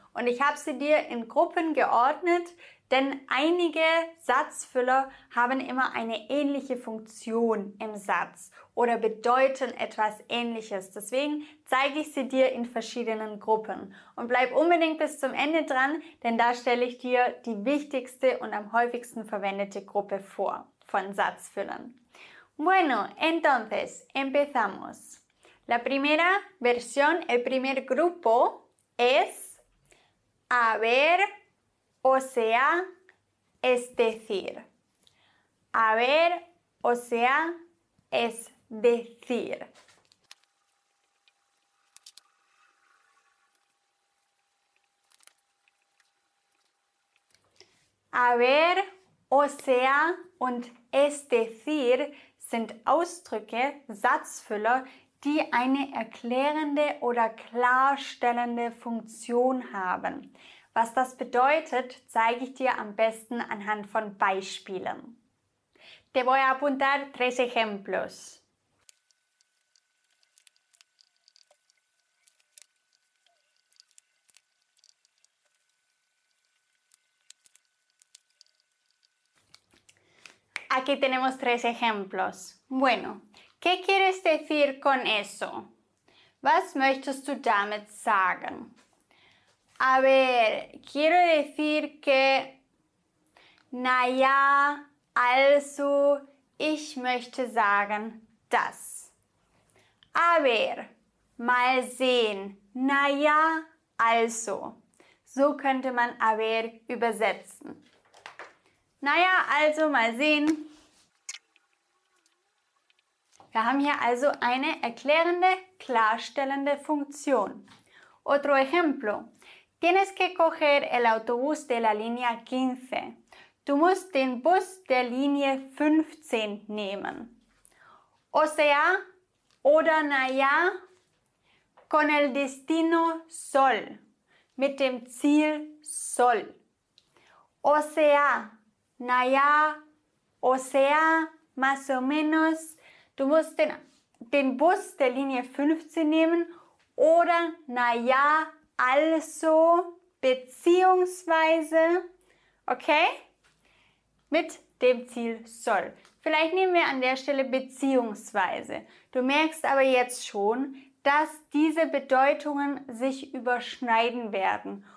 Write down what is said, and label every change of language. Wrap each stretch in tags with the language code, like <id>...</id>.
<de>Und ich habe sie dir in Gruppen geordnet, denn einige Satzfüller haben immer eine ähnliche Funktion im Satz oder bedeuten etwas Ähnliches. Deswegen zeige ich sie dir in verschiedenen Gruppen. Und bleib unbedingt bis zum Ende dran, denn da stelle ich dir die wichtigste und am häufigsten verwendete Gruppe vor von Satzfüllern.</de> <es>Bueno, entonces, empezamos. La primera versión, el primer grupo es haber, o sea, es decir. Haber, o sea, es decir.</es> <de>Haber, o sea, und es decir sind Ausdrücke, Satzfüller, die eine erklärende oder klarstellende Funktion haben. Was das bedeutet, zeige ich dir am besten anhand von Beispielen.</de> <es>Te voy a apuntar tres ejemplos. ¿A Aquí tenemos tres ejemplos. Bueno, ¿qué quieres decir con eso?</es> <de>Was möchtest du damit sagen?</de> <es>A ver, quiero decir que,</es> <de>naja, also, ich möchte sagen, das. A ver, mal sehen, naja, also. So könnte man a ver übersetzen. Naja, also, mal sehen. Wir haben hier also eine erklärende, klarstellende Funktion.</de> <es>Otro ejemplo. Tienes que coger el autobús de la línea 15.</es> <de>Du musst den Bus der Linie 15 nehmen.</de> <es>O sea,</es> <de>oder naja,</de> <es>con el destino soll.</es> <de>Mit dem Ziel soll.</de> <es>O sea, naja, o sea, más o menos.</es> <de>Du musst den Bus der Linie 15 nehmen oder, naja, also, beziehungsweise, okay, mit dem Ziel soll. Vielleicht nehmen wir an der Stelle beziehungsweise. Du merkst aber jetzt schon, dass diese Bedeutungen sich überschneiden werden.</de>